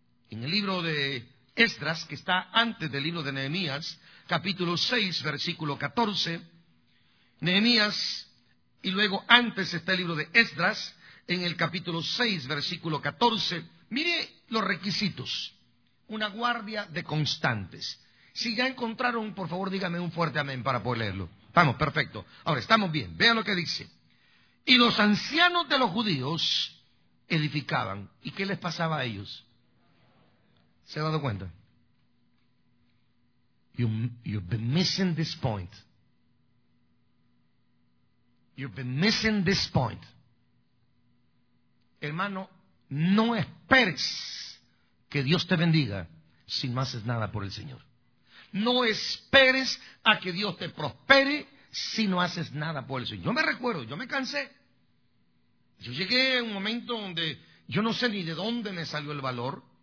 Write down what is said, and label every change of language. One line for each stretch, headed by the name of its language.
Spanish: En el libro de Esdras, que está antes del libro de Nehemías, capítulo 6, versículo 14, Nehemías, y luego antes está el libro de Esdras, en el capítulo 6, versículo 14, mire los requisitos, una guardia de constantes. Si ya encontraron, por favor, dígame un fuerte amén para poder leerlo. Estamos, perfecto. Ahora, estamos bien. Vean lo que dice. Y los ancianos de los judíos edificaban. ¿Y qué les pasaba a ellos? ¿Se ha dado cuenta?
English: You've been missing this point. You've been missing this point.
Spanish: Hermano, no esperes que Dios te bendiga si no haces nada por el Señor. No esperes a que Dios te prospere si no haces nada por el Señor. Yo me recuerdo, yo me cansé. Yo llegué a un momento donde yo no sé ni de dónde me salió el valor.